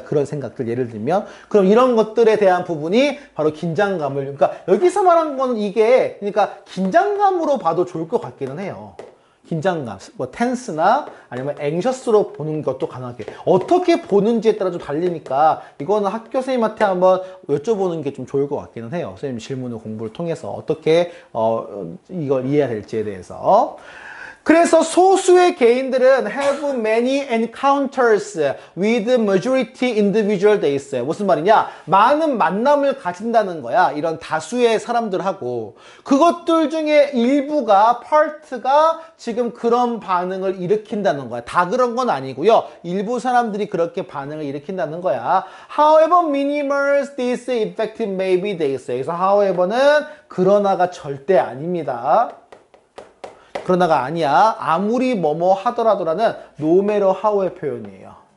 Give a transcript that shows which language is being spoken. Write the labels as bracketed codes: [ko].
[ko] 그런 생각들, 예를 들면. 그럼 이런 것들에 대한 부분이 바로 긴장감을, 그러니까 여기서 말한 건 이게, 그러니까 긴장감으로 봐도 좋을 것 같기는 해요. 긴장감, 뭐, 텐스나 아니면 앵셔스로 보는 것도 가능하게. 어떻게 보는지에 따라 좀 달리니까, 이거는 학교 선생님한테 한번 여쭤보는 게 좀 좋을 것 같기는 해요. 선생님 질문을 공부를 통해서 어떻게, 이걸 이해해야 될지에 대해서. 그래서 소수의 개인들은 [en] have many encounters with majority individual days. [ko] 무슨 말이냐? 많은 만남을 가진다는 거야. 이런 다수의 사람들하고. 그것들 중에 일부가, part가 지금 그런 반응을 일으킨다는 거야. 다 그런 건 아니고요. 일부 사람들이 그렇게 반응을 일으킨다는 거야. [en] However minimal this effect may be, they say. [ko] 그래서 however는 그러나가 절대 아닙니다. 그러나가 아니야. 아무리 뭐뭐 하더라도라는 [en] no matter how [ko] 의 표현이에요.